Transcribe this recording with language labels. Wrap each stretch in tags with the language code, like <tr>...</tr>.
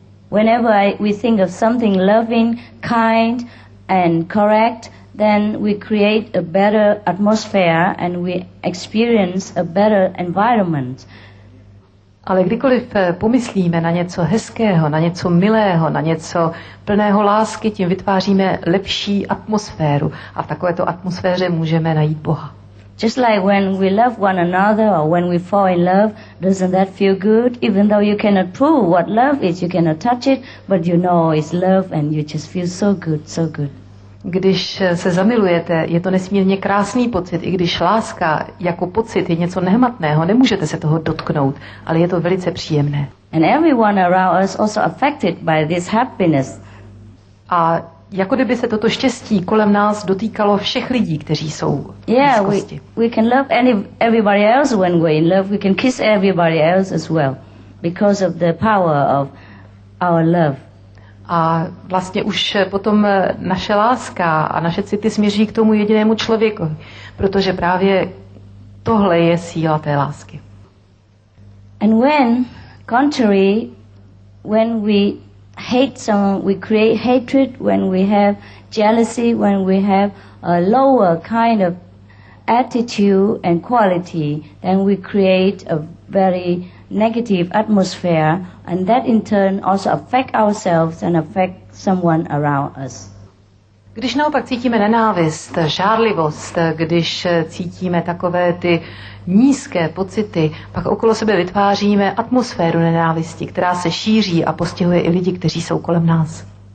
<en>Whenever we think of something loving, kind and correct, then we create a better atmosphere and we experience a better environment.</en> <cs>Ale kdykoliv pomyslíme na něco hezkého, na něco milého, na něco plného lásky, tím vytváříme lepší atmosféru. A v takovéto atmosféře můžeme najít Boha.</cs> <en>Just like when we love one another or when we fall in love, doesn't that feel good? Even though you cannot prove what love is, you cannot touch it, but you know it's love and you just feel so good, so good.</en> <cs>Když se zamilujete, je to nesmírně krásný pocit, i když láska jako pocit je něco nehmatného, nemůžete se toho dotknout, ale je to velice příjemné.</cs> <en>And everyone around us also affected by this happiness.</en> <cs>A jako kdyby se toto štěstí kolem nás dotýkalo všech lidí, kteří jsou v blízkosti.</cs> <en>Yeah, we can love everybody else when we're in love. We can kiss everybody else as well because of the power of our love.</en> <cs>A vlastně už potom naše láska a naše city směří k tomu jedinému člověku, protože právě tohle je síla té lásky.</cs> <en>And when contrary, when we hate someone, we create hatred, when we have jealousy, when we have a lower kind of attitude and quality, then we create a very negative atmosphere, and that in turn also affect ourselves and affect someone around us.</en> <cs>Když naopak cítíme nenávist, žárlivost, když cítíme takové ty nízké pocity, pak okolo sebe vytváříme atmosféru nenávisti, která se šíří a postihuje i lidi, kteří jsou kolem nás.</cs>